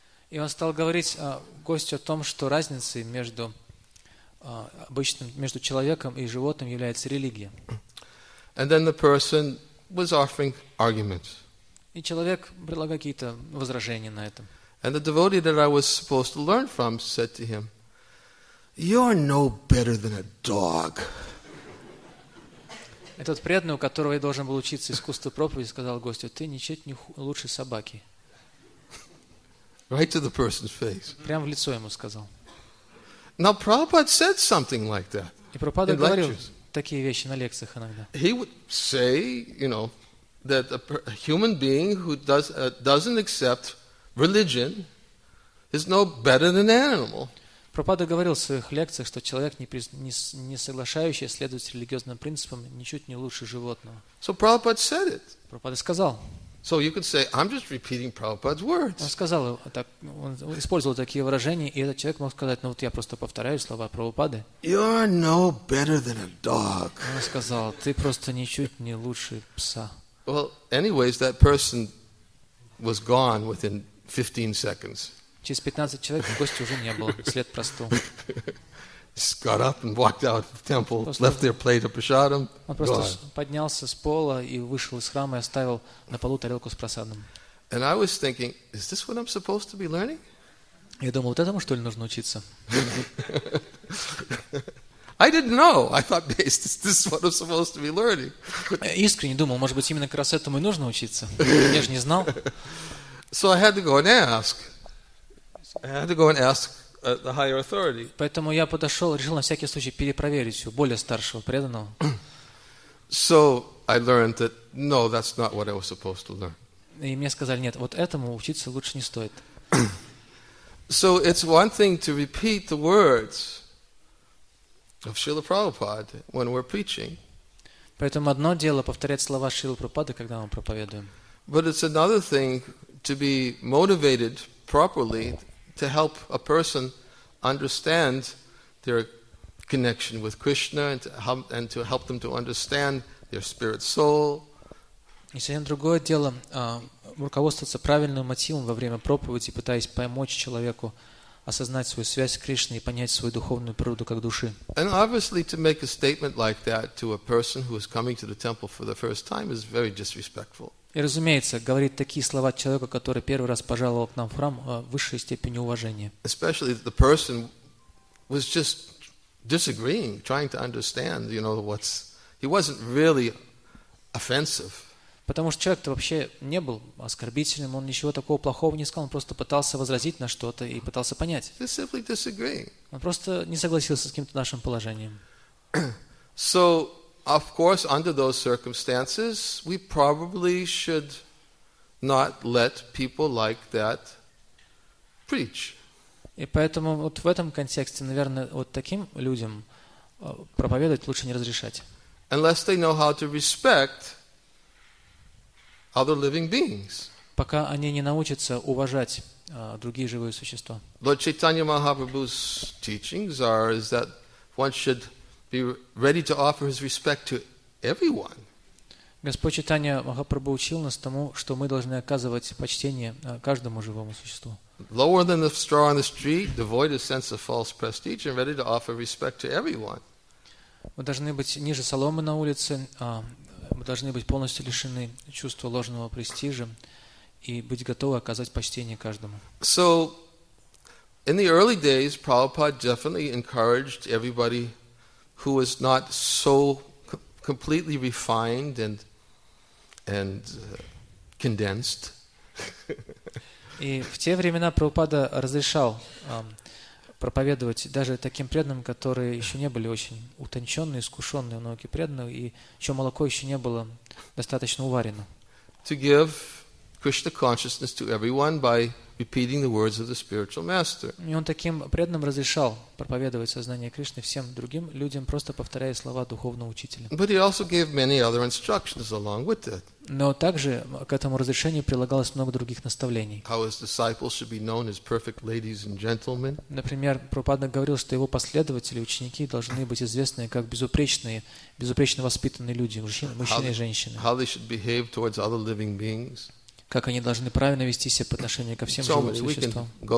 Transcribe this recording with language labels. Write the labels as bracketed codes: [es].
[ru] И он стал говорить гостю о том, что разницей между обычным, между человеком и животным является религия. [en] And then the person was offering arguments. [ru] И человек предлагал какие-то возражения на этом. [en] And the devotee that I was supposed to learn from said to him, "You're no better than a dog." [ru] Этот преданный, у которого я должен был учиться искусству проповеди, сказал гостю, "Ты ничуть не лучше собаки." [en] Right to the person's face. [ru] Прямо в лицо ему сказал. [en] Now Prabhupada said something like that. [ru] И Прабхупада говорил такие вещи на лекциях иногда. [en] He would say, you know, that a human being who doesn't accept religion is no better than an animal. [ru] Прабхупада говорил в своих лекциях, что человек, не соглашающийся следовать религиозным принципам, ничуть не лучше животного. [en] So Prabhupada said it. [ru] Прабхупада сказал. [en] So you could say, I'm just repeating Prabhupada's words. [ru] Он сказал так, он использовал такие выражения, и этот человек мог сказать, ну вот я просто повторяю слова Прабхупады. [en] You're no better than a dog. [ru] Он сказал, ты просто ничуть не лучше пса. [en] Well, anyways, that person was gone within 15 seconds. [ru] Через 15 человек в гости уже не было, след простыл. [en] Just got up and walked out of the temple, left their plate of prasadam. [ru] Он просто поднялся с пола и вышел из храма и оставил на полу тарелку с прасадом. [en] And I was thinking, is this what I'm supposed to be learning? [ru] Я думал, вот этому что ли нужно учиться? [en] I didn't know. I thought, is this is what I'm supposed to be learning. [ru] Искренне думал, может быть, именно как раз этому и нужно учиться. Я же не знал. [en] So I had to go and ask. The higher authority. [ru] Поэтому я подошел, решил на всякий случай перепроверить у более старшего преданного. [en] So I learned that no, that's not what I was supposed to learn. [ru] И мне сказали нет, вот этому учиться лучше не стоит. [en] So it's one thing to repeat the words of Srila Prabhupada when we're preaching. [ru] Поэтому одно дело повторять слова Шрилы Прабхупады, когда мы проповедуем. [en] But it's another thing to be motivated properly. To help a person understand their connection with Krishna and to help them to understand their spirit soul. [ru] И совсем другое дело руководствоваться правильным мотивом во время проповеди, пытаясь помочь человеку осознать свою связь с Кришной и понять свою духовную природу как души. [en] And obviously, to make a statement like that to a person who is coming to the temple for the first time is very disrespectful. [ru] И, разумеется, говорить такие слова человеку, который первый раз пожаловал к нам в храм, в высшей степени уважения. [en] Especially the person was just disagreeing, trying to understand, you know, what's... He wasn't really offensive. [ru] Потому что человек-то вообще не был оскорбительным, он ничего такого плохого не сказал, он просто пытался возразить на что-то и пытался понять. [en] He's simply disagreeing. [ru] Он просто не согласился с каким-то нашим положением. [en] So... Of course, under those circumstances, we probably should not let people like that preach. [ru] И поэтому вот в этом контексте, наверное, вот таким людям проповедовать лучше не разрешать. [en] Unless they know how to respect other living beings. [ru] Пока они не научатся уважать другие живые существа. [en] Lord Chaitanya Mahaprabhu's teachings are is that one should be ready to offer his respect to everyone. [ru] Господь Чайтанья Махапрабху учил нас тому, что мы должны оказывать почтение каждому живому существу. [en] Lower than the straw on the street, devoid of sense of false prestige, and ready to offer respect to everyone. [ru] Мы должны быть ниже соломы на улице, мы должны быть полностью лишены чувства ложного престижа и быть готовы оказать почтение каждому. [en] So, in the early days, Prabhupada definitely encouraged everybody who was not so completely refined and condensed. [ru] И в те времена Прабхупада разрешал проповедовать даже таким преданным, которые еще не были очень утонченные, искушенные в науке преданного, и еще молоко еще не было достаточно уварено. [en] To give Krishna consciousness to everyone by repeating the words of the spiritual master. [ru] И он таким преданным разрешал проповедовать сознание Кришны всем другим людям, просто повторяя слова духовного учителя. [en] But he also gave many other instructions along with it. [ru] Но также к этому разрешению прилагалось много других наставлений. [en] How his disciples should be known as perfect ladies and gentlemen. [ru] Например, Прабхупада говорил, что его последователи, ученики, должны быть известны как безупречные, безупречно воспитанные люди, мужчины и женщины. [en] How they should behave towards other living beings. [ru] Как они должны правильно вести себя по отношению ко всем живым существам.